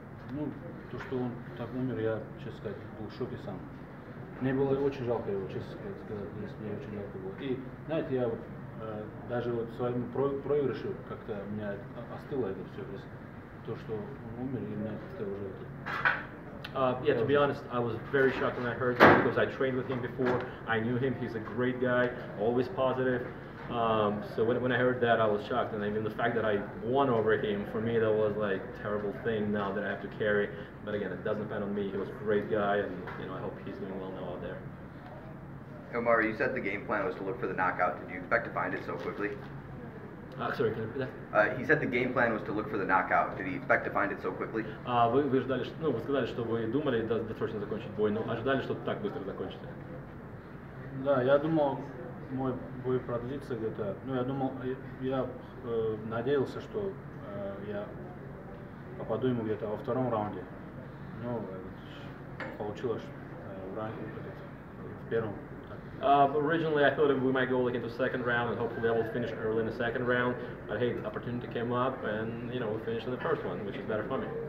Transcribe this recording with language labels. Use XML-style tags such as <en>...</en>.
<ru>Ну, то, что он так умер, я, честно сказать, был в шоке сам. Мне было очень жалко его, честно сказать, мне очень жалко было. И, знаете, я вот даже вот в своем проигрыше как-то у меня остыло это все, то есть то, что он умер, и у меня как-то уже это...</ru> <en>Yeah, to be honest, I was very shocked when I heard that because I trained with him before. I knew him. He's a great guy, always positive. So when I heard that, I was shocked. And even the fact that I won over him, for me, that was like a terrible thing now that I have to carry. But again, it doesn't depend on me. He was a great guy, and you know, I hope he's doing well now out there. Omari, you said the game plan was to look for the knockout. Did you expect to find it so quickly? Sorry, can you repeat that? He said the game plan was to look for the knockout. Did he expect to find it so quickly?</en> <ru>Вы сказали, что вы думали досрочно закончить бой, но ожидали, что так быстро закончите. Да, я думал, мой бой продлится где-то. Ну, я думал, я надеялся, что я попаду ему где-то во втором раунде. Ну, получилось в первом.</ru> <en>Originally, I thought we might go like into second round, and hopefully, I will finish early in the second round. But hey, the opportunity came up, and you know, we finished in the first one, which is better for me.</en>